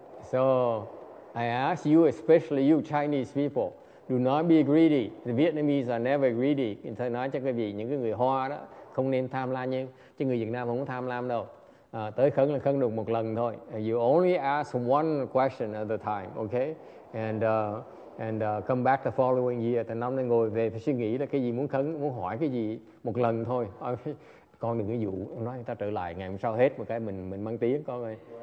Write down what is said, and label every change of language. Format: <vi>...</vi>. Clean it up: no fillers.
<en>So I ask you, especially you Chinese people, do not be greedy. The Vietnamese are never greedy.</en> <vi>Thầy nói cho quý vị, những cái người Hoa đó không nên tham lam nhé. Chứ người Việt Nam không có tham lam đâu. Tới khấn là khấn được một lần thôi.</vi> <en>You only ask one question at a time, okay? And come back the following year.</en> <vi>Thầy năm nay ngồi về phải suy nghĩ là cái gì muốn khấn, muốn hỏi cái gì một lần thôi. Okay. Con đừng có dụ, nói người ta trở lại ngày hôm sau hết một cái mình mang tiếng con ơi.</vi>